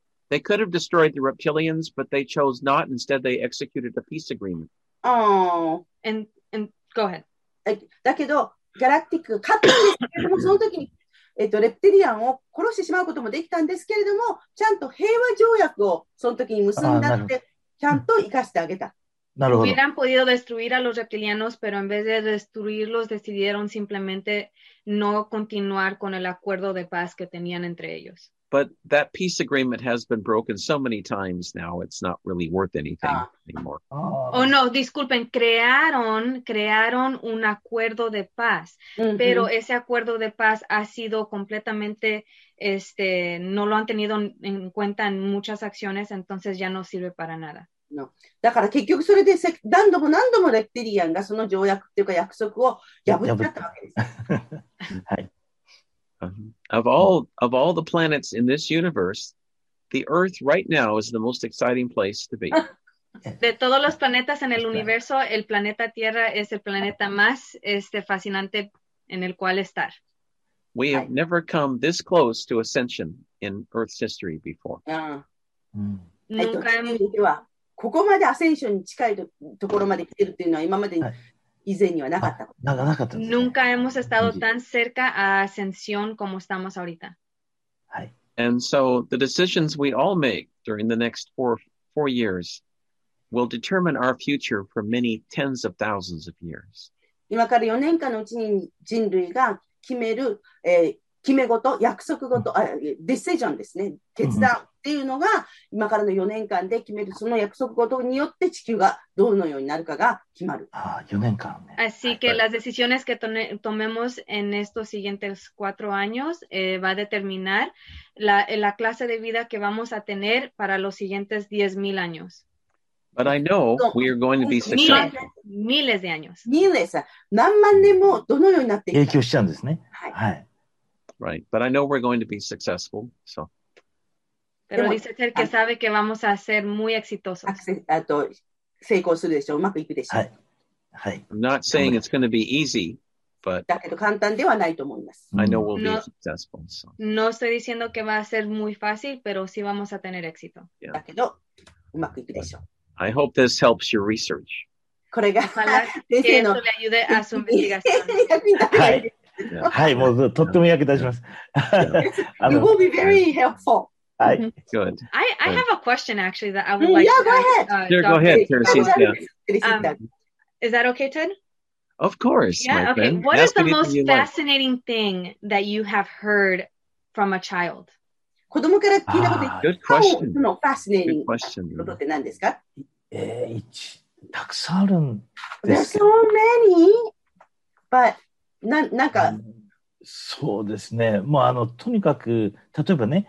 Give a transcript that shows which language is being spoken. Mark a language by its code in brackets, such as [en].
[en] They could have destroyed the Reptilians, but they chose not. Instead, they executed a peace agreement. And go ahead. [ja] だけど、ギャラクティックが勝ったんですけれども、その時に、レプテリアンを殺してしまうこともできたんですけれども、ちゃんと平和条約をその時に結んだって、ちゃんと生かしてあげた。なるほど。 [es] Hubieran podido destruir a los reptilianos, pero en vez de destruirlos, decidieron simplemente no continuar con el acuerdo de paz que tenían entre ellos. [en] But that peace agreement has been broken so many times now, it's not really worth anything anymore. [es] Oh, no, disculpen, crearon un acuerdo de paz, mm-hmm. pero ese acuerdo de paz ha sido completamente, no lo han tenido en cuenta en muchas acciones, entonces ya no sirve para nada. No. [ja] だから結局それで何度もレプテリアンがその条約というか約束を破っちゃったわけです。はい。 [en] Of all the planets in this universe, the Earth right now is the most exciting place to be. [es] De todos los planetas en el universo, el planeta Tierra es el planeta más fascinante en el cual estar. [en] We have never come this close to ascension in Earth's history before. [es] Nunca [ja] ここまでアセンションに近いところまで来てるっていうのは今までに。なかったね、 [es] Nunca hemos estado tan cerca a ascensión como estamos ahorita. [en] And so the decisions we all make during the next four years will determine our future for many tens of thousands of years. [ja] 今から4年間のうちに人類が決める、決め事、約束事、ディシジョンですね。決断っていうのが今からの4年間で決めるその約束事によって地球がどのようになるかが決まる。ああ、4年間、ね。 [es] Así que las decisiones que tomemos en estos siguientes cuatro años va a determinar la clase de vida que vamos a tener para los siguientes 10,000 años. [en] But I know we are going to be successful. [es] Miles de años. Miles. [ja] 何万年もどのようになっていくか。影響しちゃうんですね。はい。はい。 [en] Right, but I know we're going to be successful, so. [es] Pero dice Ted que sabe que vamos a ser muy exitosos. [en] Success, to succeed, so, it will go well. I'm not saying it's going to be easy, but. [ja] だけど簡単ではないと思います。 [en] I know we'll be successful. So. [es] No estoy diciendo que va a ser muy fácil, pero sí vamos a tener éxito. [en] Yeah. [ja] だけど、うまくいくでしょう。 [en] I hope this helps your research. [ja] これが先生の。 [es] Esto le ayude a su investigación. はい。Yeah. [ja] はい、もうとっても役立ちます。 [en] You will be very helpful. [ja] はい。 [en] Good. I have a question actually that I would like to ask. Yeah, go ahead. Go ahead, Teresita. Is that okay, Ted? Of course, yeah, my okay. friend. What is the most fascinating thing that you have heard from a child? [ja] 子供から聞いたことで、 [en] good question. [ja] その [en] fascinating good question. [ja] ことって何ですか？たくさんあるんです。 [en] There's so many, but... なんか [ja] そうですね、もうとにかく、例えばね、